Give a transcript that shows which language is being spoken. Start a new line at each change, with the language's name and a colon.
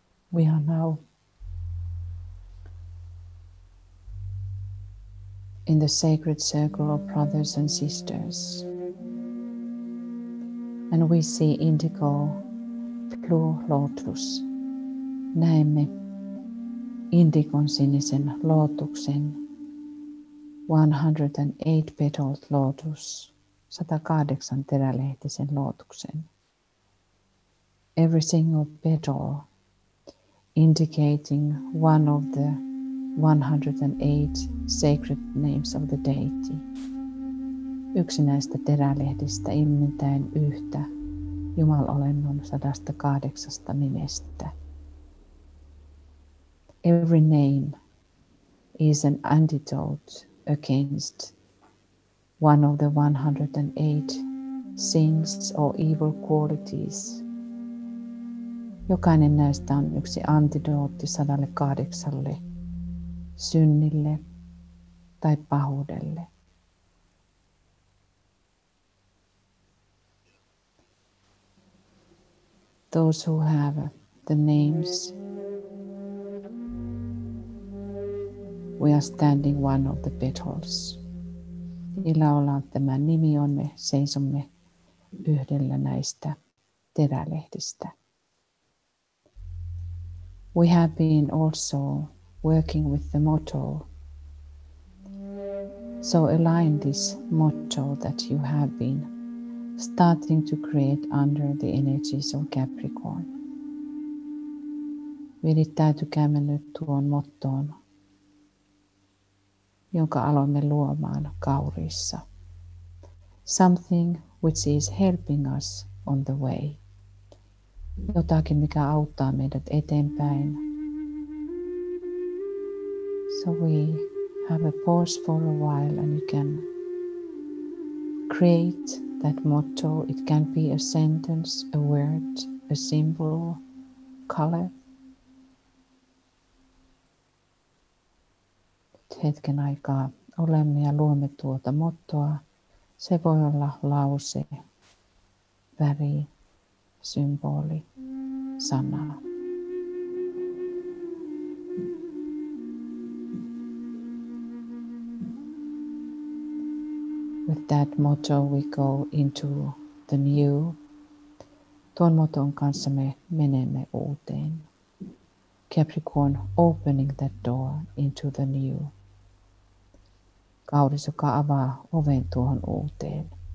English: We are now in the sacred circle of brothers and sisters, and we see indigo blue lotus.
Finnish: Näemme indikon sinisen lotuksen,
English: 108-petaled lotus,
Finnish: 108 terälehtisen lotuksen.
English: Every single petal indicating one of the 108 sacred names of the deity.
Finnish: Yksi näistä terälehdistä ilmentäen yhtä Jumalolennon 108 nimestä.
English: Every name is an antidote against one of the 108 sins or evil qualities.
Finnish: Jokainen näistä on yksi antidootti 108 synnille tai pahuudelle.
English: Those who have the names, we are standing one of the petals.
Finnish: Niillä ollaan tämä nimi on, me seisomme yhdellä näistä terälehdistä.
English: We have been also working with the motto. So align this motto that you have been starting to create under the energies of Capricorn.
Finnish: Virittäytykäämme nyt tuon mottoon, jonka aloimme luomaan Kaurissa.
English: Something which is helping us on the way.
Finnish: Jotakin, mikä auttaa meidät eteenpäin.
English: So we have a pause for a while and you can create that motto. It can be a sentence, a word, a symbol, color.
Finnish: Hetken aikaa olemme ja luomme tuota mottoa. Se voi olla lause, väri, symboli, sana.
English: With that motto we go into the new.
Finnish: Tuon moton kanssa me menemme uuteen.
English: Capricorn opening that door into the new.
Finnish: Kaudis, joka avaa oven tuohon uuteen.